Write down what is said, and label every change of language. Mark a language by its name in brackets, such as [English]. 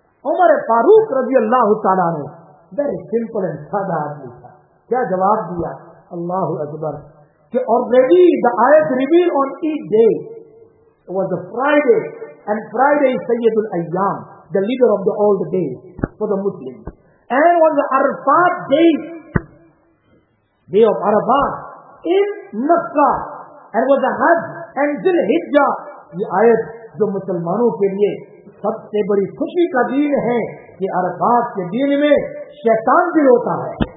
[Urdu] عمر فاروق رضی اللہ تعالیٰ نے [English] very simple and sad [Urdu] آدمی تھا کیا جواب دیا؟ اللہ اکبر. [English] کہ already the ayat revealed on each day, it was a Friday, and Friday is سید الایام, the leader of the old days for the Muslims, and on the Arafat day, day of Arafat in Mecca, and was the Hajj and Dhul Hijjah. The ayat [Urdu] جو مسلمانوں کے لیے سب سے بڑی خوشی کا دین ہے کہ عرفات کے دین میں شیطان بھی روتا ہے.